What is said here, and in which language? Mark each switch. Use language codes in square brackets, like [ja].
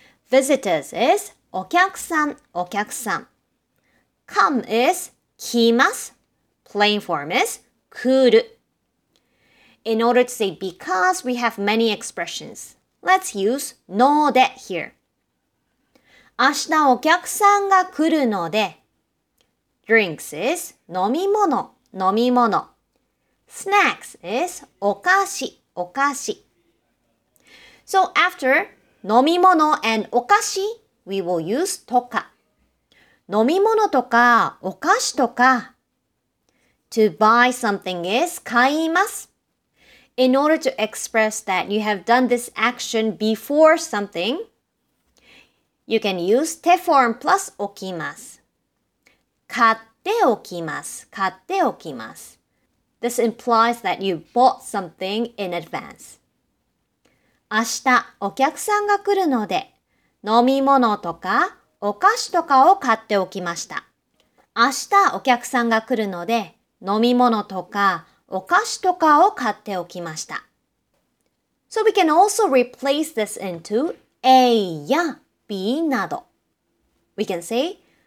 [en] Visitors is お客さん、お客さん。Come is 来ます。 Plain form is 来る。 In order to say because, we have many expressions. Let's use ので here. [ja] 明日お客さんが来るので、 [en] Drinks is 飲み物、飲み物。Snacks is お菓子、お菓子。 So after 飲み物 and お菓子, we will use とか。 [ja] 飲み物とかお菓子とか。 [en] To buy something is 買います。In order to express that you have done this action before something, you can use 手 form plus 置きます。 [ja] 買っておきます。買っておきます。 [en] This implies that you bought something in advance. [ja] 明日お客さんが来るので、飲み物とかお菓子とかを買っておきました。明日お客さんが来るので、飲み物とかお菓子とかを買っておきました。 [en] So we can also replace this into A や B など。We can say,